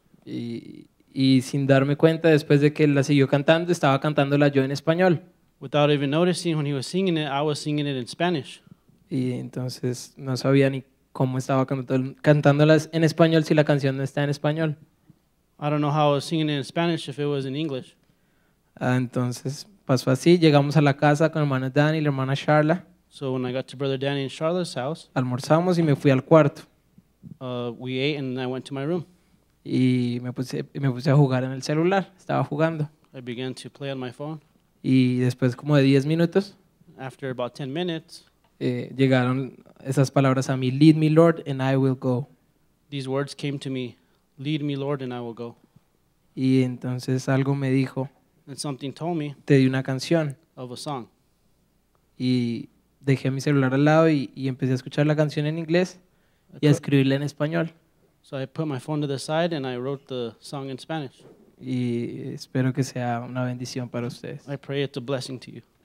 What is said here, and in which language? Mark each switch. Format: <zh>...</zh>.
<es>Y sin darme cuenta, después de que la siguió cantando, estaba cantándola yo en español.</es> <en>Without even noticing when he was singing it, I was singing it in Spanish.</en> <es>Y entonces no sabía ni cómo estaba cantándolas en español si la canción no está en español.</es> <en>I don't know how I was singing it in Spanish if it was in English.</en> <es>Entonces pasó así, llegamos a la casa con hermano Danny y la hermana Sharla.</es> <en>So when I got to brother Danny and Charla's house,</en> <es>almorzamos y me fui al cuarto.</es> <en>We ate and I went to my room.</en> <es>Y me puse a jugar en el celular, estaba jugando.</es> <en>I began to play on my phone.</en> <es>Y después como de 10 minutos,</es> <en>after about 10 minutes,</en> <es>Llegaron esas palabras a mí,</es> <en>lead me Lord and I will go. These words came to me, lead me Lord and I will go.</en> <es>Y entonces algo me dijo,</es> <en>and something told me,</en> <es>te di una canción,</es> <en>of a song.</en> <es>Y dejé mi celular al lado y empecé a escuchar la canción en inglés y a escribirla en español.</es> <en>So I put my phone to the side and I wrote the song in Spanish.</en> <es>Y espero que sea una bendición para ustedes.</es> <en>I pray it's a blessing to you.</en>